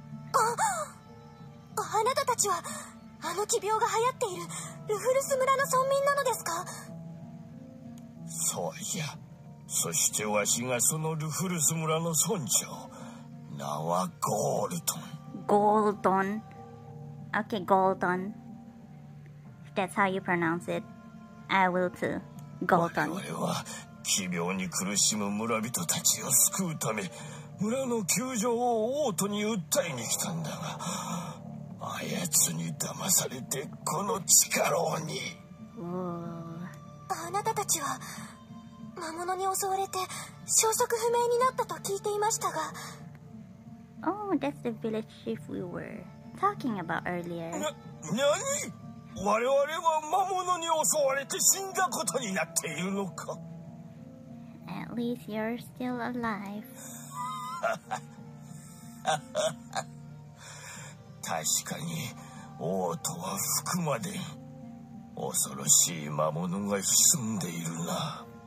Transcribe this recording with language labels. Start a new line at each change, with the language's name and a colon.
Japanese: あなたたちはあの奇病が流行っているルフルス村の村民なのですか？そうじゃ。そしてわしがそのルフルス村の村長、名はゴールトン。ゴールトン。Okay, ゴールトン。
English: If that's how you pronounce it, I will too.
Japanese: ゴールトン。我々は奇病に苦しむ村人たちを救うため村の窮状を王都に訴えに来たんだが、あやつに騙されてこの地下牢に。あなたたちは魔物に襲われて消息不明になったと聞いていましたが。
English: Oh, that's the village chief we were talking about earlier.
Japanese: 何？我々は魔物に襲われて死んだことになっているのか？
English: At least you're still alive.
Japanese: 確かに王都は福まで恐ろしい魔物が潜んでいるな。